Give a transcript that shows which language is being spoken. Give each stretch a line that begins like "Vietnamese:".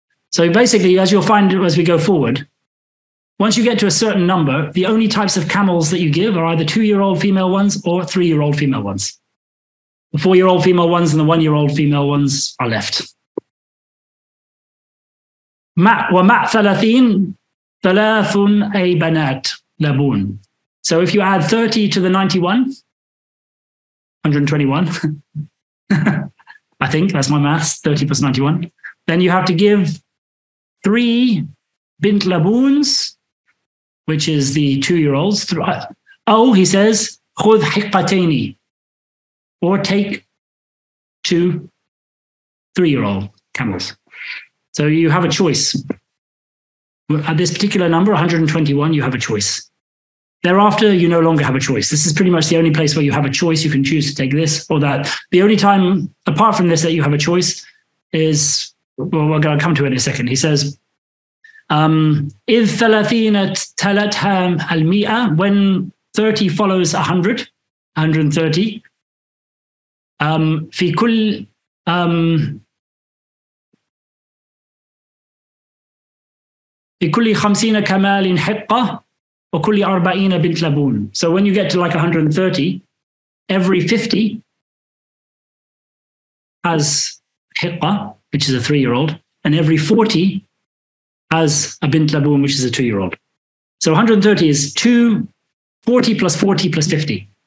English: So basically, as you'll find as we go forward, once you get to a certain number, the only types of camels that you give are either 2-year-old female ones or 3-year-old female ones. The 4-year-old female ones and the 1-year-old female ones are left.
Arabic: ومع ثلاثين ثلاث أي بنات لبون.
English: So if you add 30 to the 91, 121, I think that's my maths, 30 plus 91, then you have to give 3 bint labuns, which is the 2-year-olds. Oh, he says,
Arabic: خذ حقتيني,
English: or take 2 3-year-old camels. So you have a choice. At this particular number, 121, you have a choice. Thereafter, you no longer have a choice. This is pretty much the only place where you have a choice. You can choose to take this or that. The only time, apart from this, that you have a choice is, well, we're going to come to it in a second.
Arabic: He says, إِذْ ثَلَثِينَ تَلَتْهَا الْمِئَةَ.
English: When 30 follows 100, 130,
Arabic: فِي كُلْ بِكُلِّ خَمْسِينَ كَمَالٍ حِقَّةٍ وَكُلِّ أَرْبَعِينَ بِنْتْ لَبُونَ.
English: So when you get to like 130, every 50 has حِقَّة, which is a 3-year-old, and every 40 has a بِنْتْ لَبُونَ, which is a 2-year-old. So 130 is 40 plus 40 plus 50.